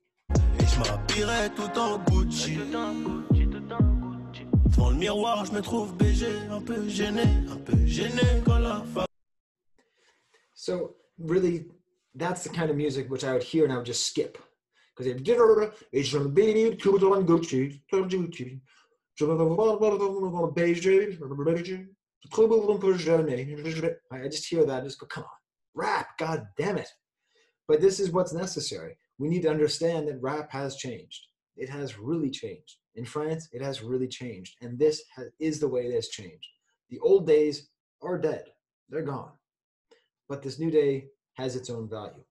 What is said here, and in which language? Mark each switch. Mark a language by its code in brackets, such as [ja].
[fr] Je m'habillerai tout en Gucci. Devant le miroir, je me trouve BG, un peu gêné quand la femme. [en] So, really, that's the kind of music which I would hear and I would just skip. Because they have dinner, [fr] et je m'habillerai tout en Gucci, tout en Gucci. Je me trouve BG, un peu gêné. [en] I just hear that and just go, come on, rap, god damn it. But this is what's necessary. We need to understand that rap has changed. It has really changed. In France, it has really changed. And this is the way it has changed. The old days are dead. They're gone. But this new day has its own value.